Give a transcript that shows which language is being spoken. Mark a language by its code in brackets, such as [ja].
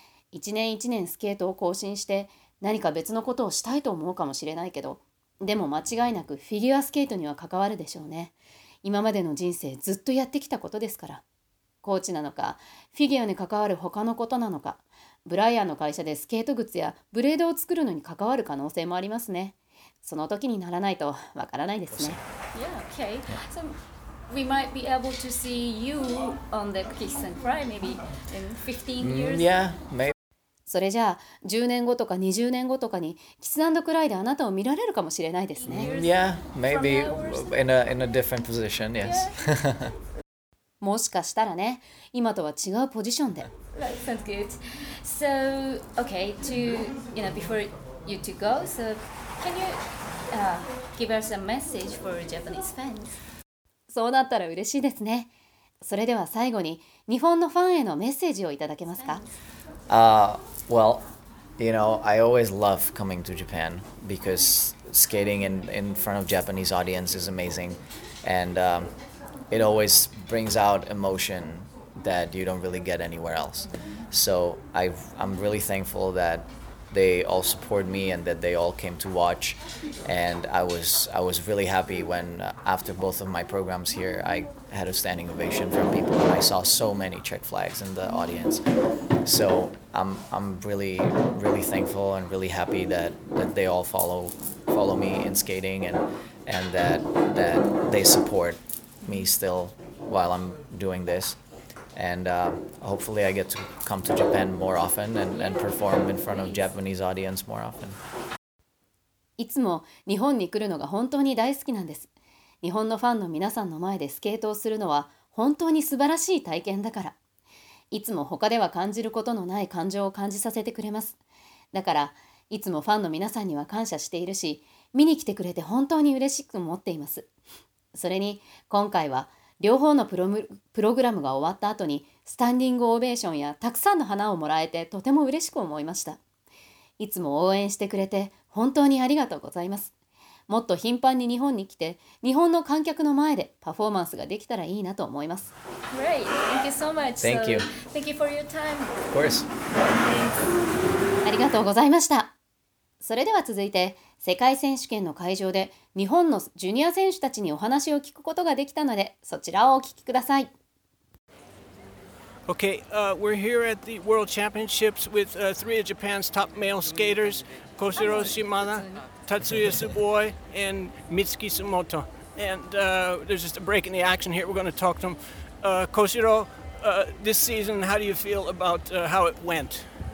[ja] 一年一年スケートを更新して何か別のことをしたいと思うかもしれないけど、でも間違いなくフィギュアスケートには関わるでしょうね。今までの人生ずっとやってきたことですから。コーチなのか、フィギュアに関わる他のことなのか、ブライアンの会社でスケート靴やブレードを作るのに関わる可能性もありますね。その時にならないとわからないですね。 [en] Yeah, okay. So we might be able to see you on the Kiss and Cry maybe in 15 years. Yeah, maybe. [ja] それじゃあ10年後とか20年後とかにキス&クライであなたを見られるかもしれないですね。 [en] Yeah, maybe in a different position, yes. [ja] もしかしたらね、今とは違うポジションで。 [en] That sounds good. So, okay, to, you know, before you to go, so can you give us a message for Japanese fans? [ja] そうなったら嬉しいですね。それでは最後に日本のファンへのメッセージをいただけますか？ [en] Well, you know, I always love coming to Japan because skating in front of Japanese audience is amazing, and it always brings out emotion that you don't really get anywhere else. So I'm really thankful that they all support me and that they all came to watch, and I was really happy when after both of my programs here, I had a standing ovation from people, and I saw so many Czech flags in the audience. So I'm really, really thankful and really happy that they all follow me in skating and that they support me still while I'm doing this. And hopefully I get to come to Japan more often and perform in front of Japanese audience more often. [ja] いつも日本に来るのが本当に大好きなんです。日本のファンの皆さんの前でスケートをするのは本当に素晴らしい体験だから。いつも他では感じることのない感情を感じさせてくれます。だからいつもファンの皆さんには感謝しているし、見に来てくれて本当に嬉しく思っています。それに今回は両方のプログラムが終わった後にスタンディングオベーションやたくさんの花をもらえてとても嬉しく思いました。いつも応援してくれて本当にありがとうございます。もっと頻繁に日本に来て、日本の観客の前でパフォーマンスができたらいいなと思います。 [en] Great. Thank you so much. Thank you. Thank you for your time. Of course. [ja] ありがとうございました。それでは続いて、世界選手権の会場で日本のジュニア選手たちにお話を聞くことができたので、そちらをお聞きください。 [en] Okay, we're here at the World Championships with three of Japan's top male skaters, Koshiro Shimada, Tatsuya Tsuboi, and Mitsuki Sumoto. And there's just a break in the action here. We're going to talk to them. Koshiro, this season, how do you feel about how it went?